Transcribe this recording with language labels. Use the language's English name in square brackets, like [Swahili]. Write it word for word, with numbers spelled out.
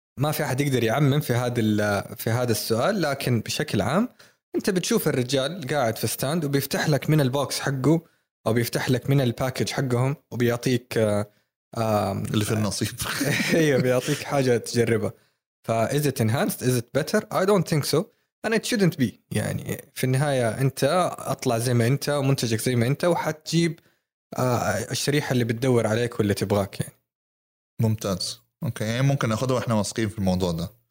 [Arabic] ما في أحد يقدر يعمم في هذا في هذا السؤال، لكن بشكل عام أنت بتشوف الرجال قاعد في ستاند وبيفتح لك من البوكس حقه أو بيفتح لك من الباكج حقهم وبيعطيك اللي في النصيب. أيوة بيعطيك حاجة تجربها. [English] فا is it enhanced is it better I don't think so and it shouldn't be. [Arabic] يعني في النهاية أنت أطلع زي ما أنت ومنتجك زي ما أنت وحتجيب الشريحة اللي بتدور عليك واللي تبغاك يعني. ممتاز أوكي، يعني ممكن نأخذه وإحنا واثقين في الموضوع ده.